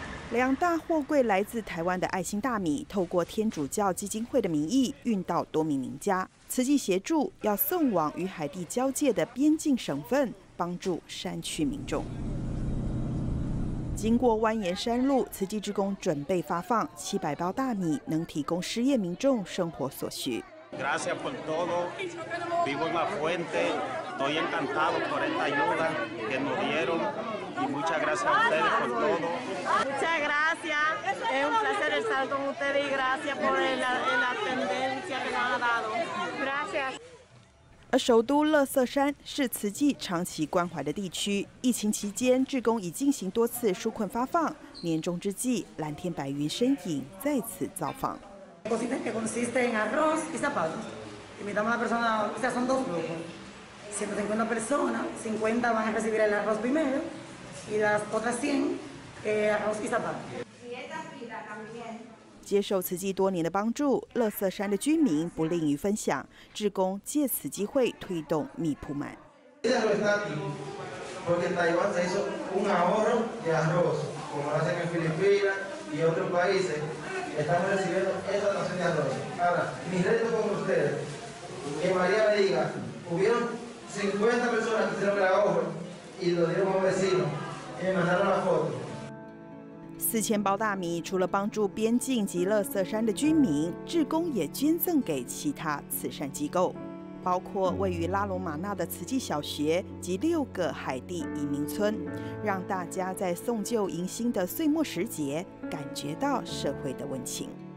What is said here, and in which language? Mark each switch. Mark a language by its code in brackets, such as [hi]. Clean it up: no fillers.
[zh] 两大货柜来自台湾的爱心大米，透过天主教基金会的名义运到多明尼加，慈济协助要送往与海地交界的边境省份，帮助山区民众。经过蜿蜒山路，慈济志工准备发放700包大米，能提供失业民众生活所需。 [es] Gracias por todo. Vivo en la fuente. Estoy encantado por esta ayuda que nos dieron y muchas gracias a ustedes por todo. Muchas gracias. Es un placer estar con ustedes y gracias por la atendencia que nos ha dado. Gracias. [zh] 而首都乐色山是慈济长期关怀的地区，疫情期间志工已进行多次纾困发放，年终之际蓝天白云身影再次造访。接受慈济多年的帮助，乐色山的居民不吝于分享，志工借此机会推动米铺满。 [es] porque Taiwán se hizo un ahorro de arroz, como lo hacen en Filipinas y otros países, están recibiendo esa donación de arroz. Ahora, mi reto con ustedes, que María me diga, hubieron 50 personas que hicieron el ahorro y lo dieron a un vecino y me mandaron la foto. [zh] 4000包大米除了帮助边境及乐色山的居民，志工也捐赠给其他慈善机构，包括位于拉隆马纳的慈济小学及6个海地移民村，让大家在送旧迎新的岁末时节感觉到社会的温情。